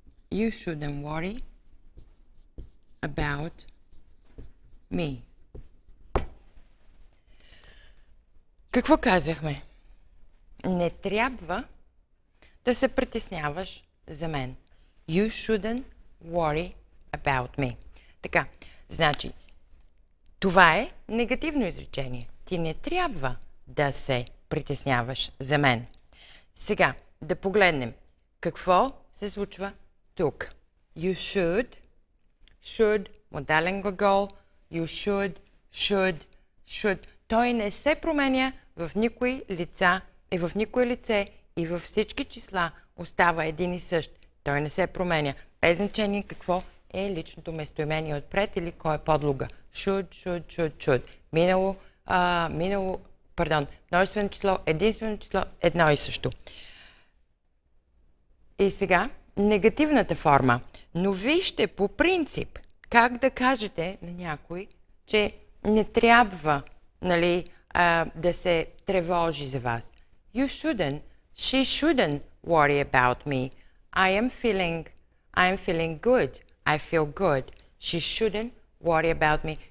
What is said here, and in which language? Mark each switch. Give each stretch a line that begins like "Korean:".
English: You shouldn't worry about me.
Bulgarian: Какво казахме? Не трябва да се притесняваш за мен.
English: You shouldn't worry about me.
Bulgarian: Така, значи, това е негативно изречение. Ти не трябва да се притесняваш за мен. Сега, да погледнем какво се случва тук.
English: You should, should, модален глагол, you should, should, should.
Bulgarian: Той не се променя в никои лица и в никое лице и във всички числа остава един и същ. Той не се променя. Без значение какво е личното местоимение отпред или кой е подлога.
English: Should, should, should, should.
Bulgarian: Минало, множествено число, единствено число, едно и също. И сега, негативната форма. Но вижте по принцип как да кажете на някой, че не трябва, нали, да се тревожи за вас.
English: You shouldn't, she shouldn't worry about me. I am feeling good. I feel good. She shouldn't worry about me.